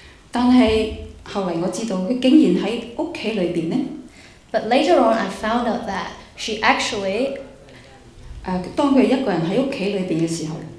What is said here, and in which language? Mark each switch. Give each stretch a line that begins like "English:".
Chinese: 但是後來我知道她竟然在屋企裏面呢。
English: But later on, I found out that she actually,
Chinese: 當她一個人在屋企裏面的時候,